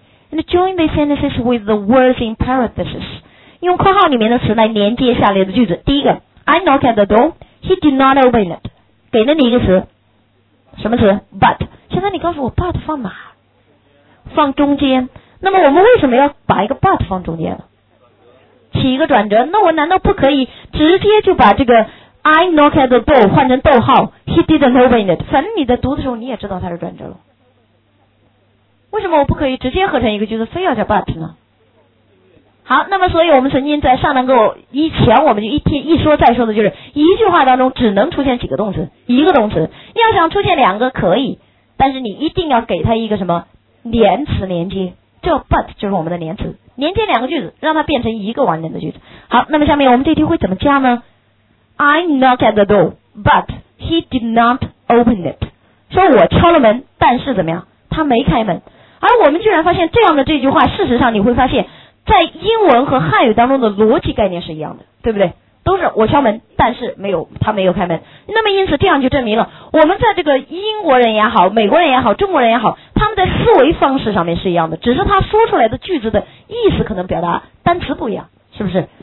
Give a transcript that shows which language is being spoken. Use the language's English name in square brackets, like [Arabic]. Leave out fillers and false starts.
[English] And join the sentences with the words in parentheses. [Chinese] 用括号里面的词来连接下列的句子。第一个 [English] I knock at the door, he did not open it. [Chinese] 给了你一个词，什么词？But. 现在你告诉我 but 放哪？放中间。那么我们为什么要把一个 but 放中间？起一个转折。那我难道不可以直接就把这个 [English] I knock at the door [Chinese] 换成逗号， [English] he didn't open it， [Chinese] 反正你在读的时候你也知道它是转折了。为什么我不可以直接合成一个句子，非要加 but 呢？好，那么所以我们曾经在上堂课以前，我们就一说再说的就是，一句话当中只能出现几个动词，一个动词。要想出现两个可以，但是你一定要给它一个什么连词连接，这 but 就是我们的连词，连接两个句子，让它变成一个完整的句子。好，那么下面我们这题会怎么加呢？ [English] I knocked at the door, but he did not open it. [Chinese] 说我敲了门，但是怎么样？他没开门。而我们居然发现这样的这句话，事实上你会发现在英文和汉语当中的逻辑概念是一样的，对不对？都是我敲门，但是没有，他没有开门。那么因此这样就证明了，我们在这个英国人也好，美国人也好，中国人也好，他们在思维方式上面是一样的，只是他说出来的句子的意思可能表达单词不一样，是不是？